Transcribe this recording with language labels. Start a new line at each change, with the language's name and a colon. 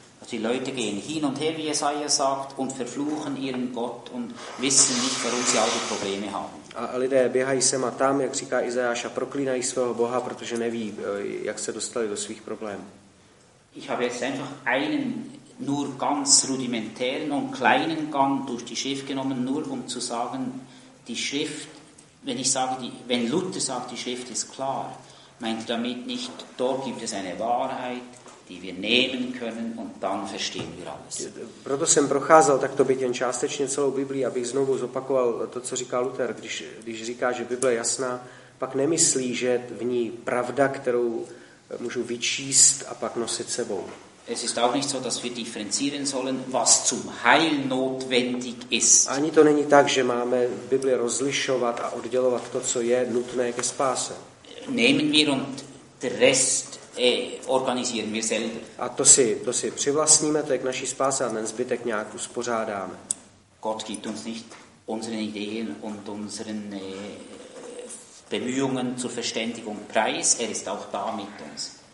German: Die Leute gehen hin und her, wie Jesaja sagt, und verfluchen ihren Gott und wissen nicht, warum sie all die Probleme haben.
Czech: A lidé běhají sem a tam, jak říká Izajáš, a proklínají svého Boha, protože neví, jak se dostali do svých problémů.
German: Ich habe jetzt einfach einen nur ganz rudimentären und kleinen Gang durch die Schrift genommen, nur um zu sagen, die Schrift, wenn Luther sagt, die Schrift ist klar, meint damit nicht, dort gibt es eine Wahrheit, die wir nehmen können und dann verstehen wir alles.
Czech: Proto jsem procházel takto byt jen částečně celou Biblii, abych znovu zopakoval to, co říká Luther, když říká, že Bible je jasná, pak nemyslí, že v ní pravda, kterou můžu vyčíst a pak nosit sebou.
German: Es ist auch nicht so, dass wir differenzieren sollen, was zum Heil notwendig ist.
Czech: Ani to není tak, že máme Bibli rozlišovat a oddělovat to, co je nutné ke spáse.
German: Nehmen wir und der Rest organisieren wir selber.
Czech: A to si přivlastníme, to je k naší spáse a ten zbytek nějak uspořádáme.
German: Gott gibt uns nicht unsere Ideen und unseren Bemühungen zur Verständigung preis, er ist auch da mit uns.